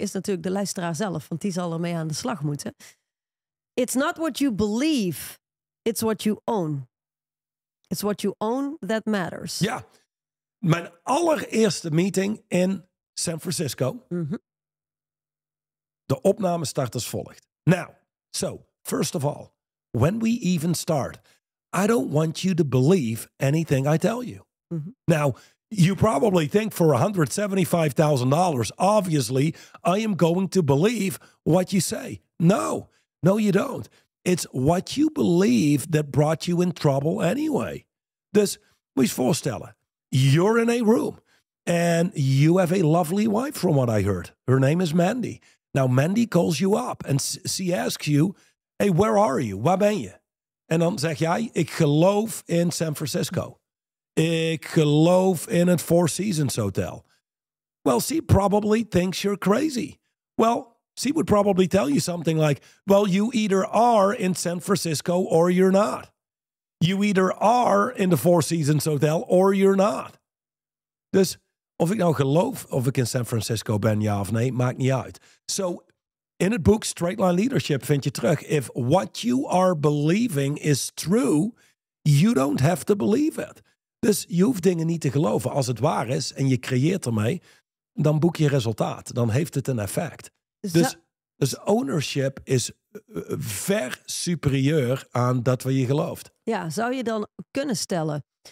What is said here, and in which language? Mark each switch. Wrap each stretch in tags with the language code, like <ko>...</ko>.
<nl>is natuurlijk de luisteraar zelf. Want die zal ermee aan de slag moeten.</nl> <en>It's not what you believe. It's what you own. It's what you own that matters.</en> <nl>Ja. Mijn allereerste meeting in San Francisco. Mm-hmm. De opname start als volgt.</nl> <en>Now, so, first of all, when we even start... I don't want you to believe anything I tell you. Mm-hmm. Now, you probably think for $175,000, obviously, I am going to believe what you say. No, you don't. It's what you believe that brought you in trouble anyway.</en> <nl>Dus, moet je voorstellen,</nl> <en>you're in a room and you have a lovely wife from what I heard. Her name is Mandy. Now, Mandy calls you up and she asks you, hey, where are you?</en> <nl>Waar ben je? En dan zeg jij, ik geloof in San Francisco. Ik geloof in het Four Seasons Hotel.</nl> <en>Well, she probably thinks you're crazy. Well, she would probably tell you something like, well, you either are in San Francisco or you're not. You either are in the Four Seasons Hotel or you're not.</en> <nl>Dus of ik nou geloof of ik in San Francisco ben, ja of nee, maakt niet uit.</nl> <en>So,</en> <nl>in het boek Straight Line Leadership vind je terug...</nl> <en>if what you are believing is true, you don't have to believe it.</en> <nl>Dus je hoeft dingen niet te geloven. Als het waar is en je creëert ermee, dan boek je resultaat. Dan heeft het een effect. Dus ownership is ver superieur aan dat wat je gelooft. Ja, zou je dan kunnen stellen...</nl>